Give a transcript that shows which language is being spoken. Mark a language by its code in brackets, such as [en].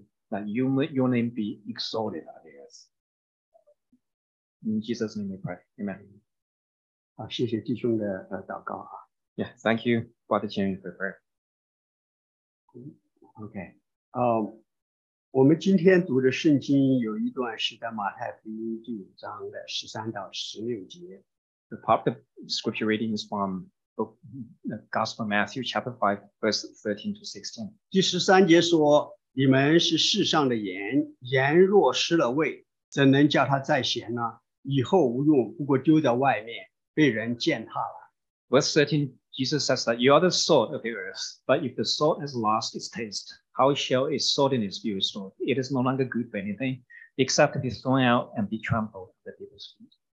[en] That you may your name be exalted, I guess. In Jesus' name we pray. Amen. [zh] 好，谢谢弟兄的祷告啊。 [en] Yeah, thank you, Brother Jian Yu, for prayer. [zh] OK, 我们今天读的圣经有一段是在马太福音第五章的十三到十六节。 [en] The part of the scripture reading is from the Gospel of Matthew, chapter 5, verse 13 to 16. [zh] 第十三节说，你们是世上的盐，盐若失了味，怎能叫它再咸呢？以后无用，不过丢在外面，被人践踏了。 [en] Verse 13. Jesus says that you are the salt of the earth, but if the salt has lost its taste, how shall its saltiness be restored? It is no longer good for anything, except to be thrown out and be trampled at the people's feet.